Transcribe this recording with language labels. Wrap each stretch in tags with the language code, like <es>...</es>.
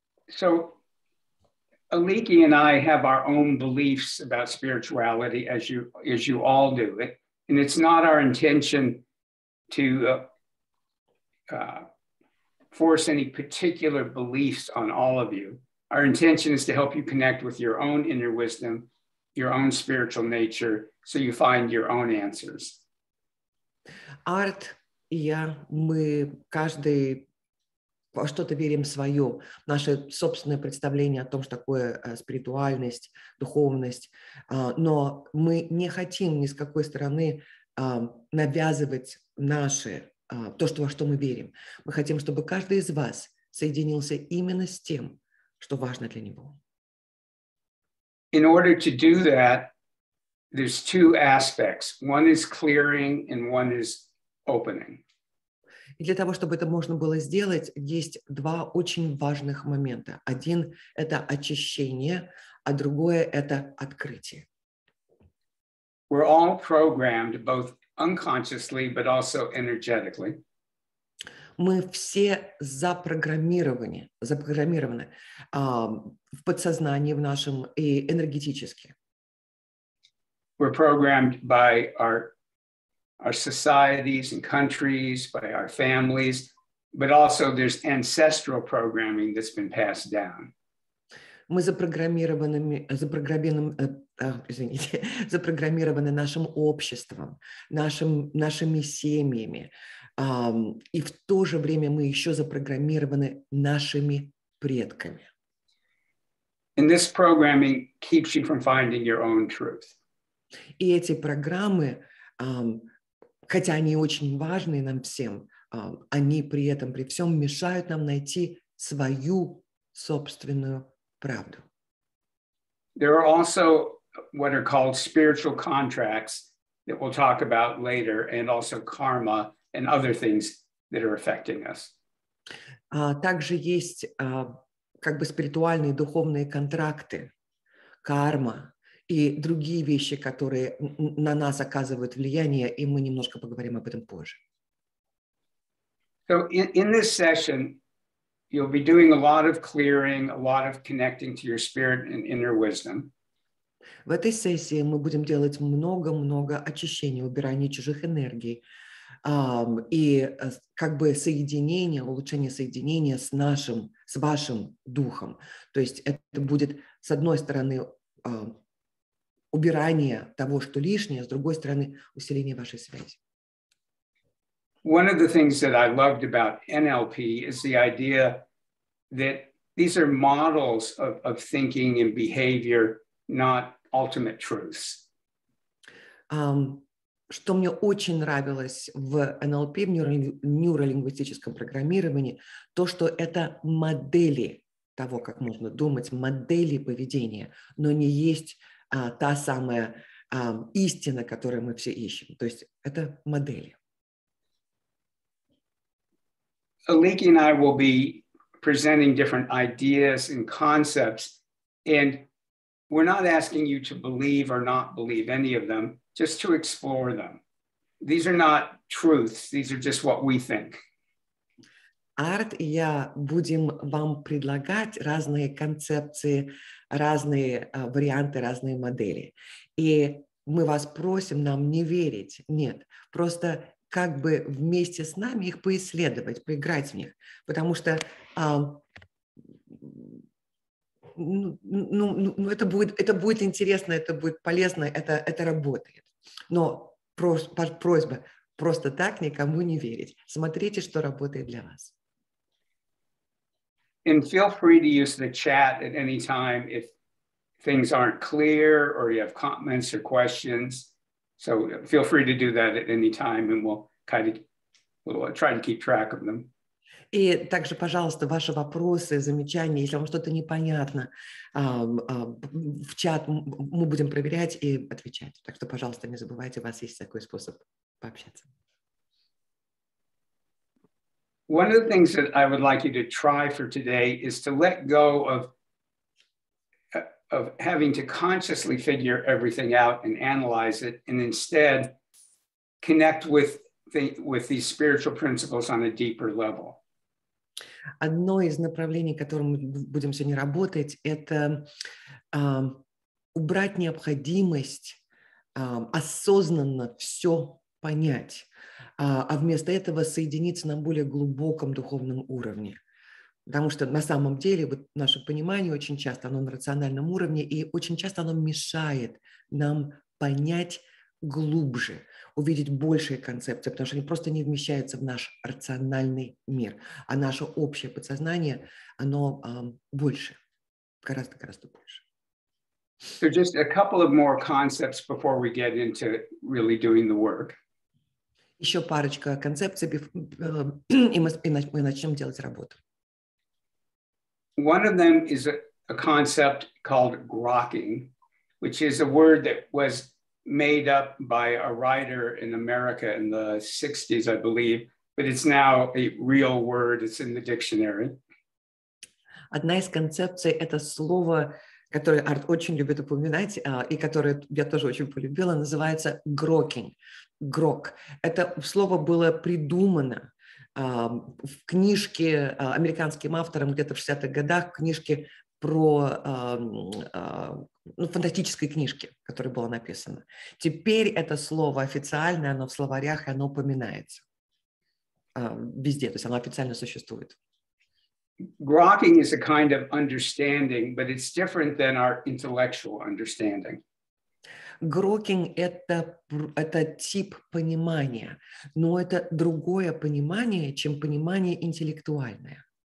<en>So Aliki and I have our own beliefs about spirituality, as you all do it, and it's not our intention to force any particular beliefs on all of you. Our intention is to help you connect with your own inner wisdom, your own spiritual nature, so you find your own answers. Art.</en> <ru>И я, мы каждый во что-то верим свое, наше собственное представление о том, что такое спиритуальность, духовность. Но мы не хотим ни с какой стороны навязывать наше, то, что, во что мы верим. Мы хотим, чтобы каждый из вас соединился именно с тем, что важно для него.</ru> <en>In order to do that, there's two aspects. One is clearing and one is opening.</en> <ru>И для того, чтобы это можно было сделать, есть два очень важных момента. Один – это очищение, а другое – это открытие.</ru> <en>We're all programmed both unconsciously, but also energetically.</en> <ru>Мы все запрограммированы в подсознании, в нашем и энергетически.</ru> <en>We're programmed by our societies and countries, by our families, but also there's ancestral programming that's been passed down.</en> <ru>Мы запрограммированы нашим обществом, нашими семьями, и в то же время мы еще запрограммированы нашими предками.</ru> <en>And this programming keeps you from finding your own truth.</en> <ru>И эти программы, хотя они очень важны нам всем, они при этом, при всем мешают нам найти свою собственную правду.</ru> <en>There are also what are called spiritual contracts that we'll talk about later, and also karma and other things that are affecting us.</en> <ru>Также есть как бы спиритуальные духовные контракты, карма и другие вещи, которые на нас оказывают влияние, и мы немножко поговорим об этом позже.</ru> <en>So in this session, you'll be doing a lot of clearing, a lot of connecting to your spirit and inner wisdom.</en> <ru>В этой сессии мы будем делать много-много очищения, убирания чужих энергий и как бы соединение, улучшение соединения с нашим, с вашим духом. То есть это будет, с одной стороны, убирание того, что лишнее, с другой стороны, усиление вашей связи.</ru> <en>One of the things that I loved about NLP is the idea that these are models of thinking and behavior, not ultimate truths.</en> <ru>Что мне очень нравилось в NLP, в нейролингвистическом программировании, то, что это модели того, как можно думать, модели поведения, но не есть та самая истина, которую мы все ищем. То есть это модели.</ru> <en>Aliki and I will be presenting different ideas and concepts, and we're not asking you to believe or not believe any of them, just to explore them. These are not truths, these are just what we think.</en> <ru>Art и я будем вам предлагать разные концепции, разные варианты, разные модели. И мы вас просим нам не верить, нет, просто как бы вместе с нами их поисследовать, поиграть в них. Потому что это будет интересно, это будет полезно, это работает. Но просьба просто так никому не верить. Смотрите, что работает для вас.</ru> <en>And feel free to use the chat at any time if things aren't clear or you have comments or questions. So feel free to do that at any time and we'll try to keep track of them.</en> <ru>И также, пожалуйста, ваши вопросы, замечания, если вам что-то непонятно, в чат мы будем проверять и отвечать. Так что, пожалуйста, не забывайте, у вас есть такой способ пообщаться.</ru> <en>One of the things that I would like you to try for today is to let go of having to consciously figure everything out and analyze it, and instead connect with these spiritual principles on a deeper level.</en> <ru>Одно из направлений, которым мы будем сегодня работать, это убрать необходимость осознанно все понять, а вместо этого соединиться на более глубоком духовном уровне. Потому что на самом деле вот наше понимание очень часто, оно на рациональном уровне, и очень часто оно мешает нам понять глубже, увидеть большие концепции, потому что они просто не вмещаются в наш рациональный мир. А наше общее подсознание, оно больше, гораздо-гораздо больше.</ru> <en>So just a couple of more concepts before we get into really doing the work.</en> <ru>Еще парочка концепций, и мы начнем делать работу.</ru> <en>One of them is a concept called grokking, which is a word that was made up by a writer in America in the 60s, I believe, but it's now a real word, it's in the dictionary.</en> <ru>Одна из концепций – это слово, которое Арт очень любит упоминать, и которое я тоже очень полюбила, называется grokking, grok. Это слово было придумано в книжке американским автором где-то в 60-х годах, книжке про фантастической книжке, которая была написана. Теперь это слово официальное, оно в словарях, и оно упоминается везде, то есть оно официально существует.</ru> <en>Grokking is a kind of understanding, but it's different than our intellectual understanding.</en> <ru>Grokking – это тип понимания, но это другое понимание, чем понимание интеллектуальное.</ru>